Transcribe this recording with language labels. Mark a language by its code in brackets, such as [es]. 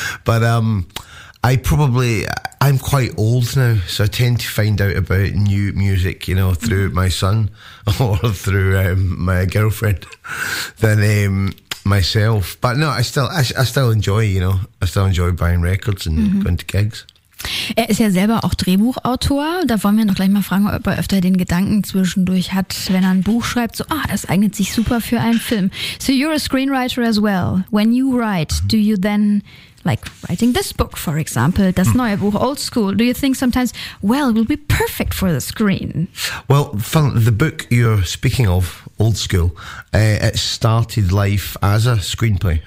[en] But I'm quite old now, so I tend to find out about new music, you know, through my son or through my girlfriend. Then, myself, but no, I still enjoy, you know, I still enjoy buying records and going to gigs. [de] Er ist ja selber auch Drehbuchautor. Da wollen wir noch gleich mal fragen, ob er öfter den Gedanken zwischendurch hat, wenn er ein Buch schreibt, so, das eignet sich super für einen Film. [en] So you're a screenwriter as well. When you write, do you then, like writing this book, for example, [de] das neue Buch, [en] Old School, do you think sometimes, well, it will be perfect for the screen? Well, from the book you're speaking of, Old School, it started life as a screenplay.